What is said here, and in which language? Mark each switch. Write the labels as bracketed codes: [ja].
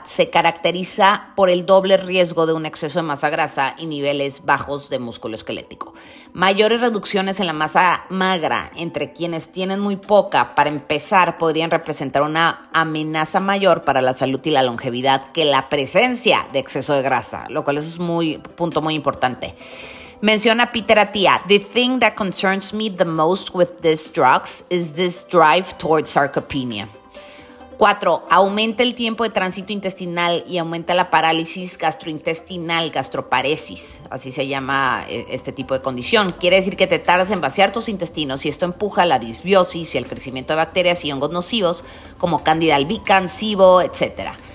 [es] Se caracteriza por el doble riesgo de un exceso de masa grasa y niveles bajos de músculo esquelético. Mayores reducciones en la masa magra entre quienes tienen muy poca, para empezar, podrían representar una amenaza mayor para la salud y la longevidad que la presencia de exceso de grasa, lo cual es un punto muy importante. Menciona [en] Peter Attia, the thing that concerns me the most with these drugs is this drive towards sarcopenia. [es] 4, aumenta el tiempo de tránsito intestinal y aumenta la parálisis gastrointestinal, gastroparesis, así se llama este tipo de condición. Quiere decir que te tardas en vaciar tus intestinos y esto empuja la disbiosis y el crecimiento de bacterias y hongos nocivos como Candida albicans, SIBO, etc.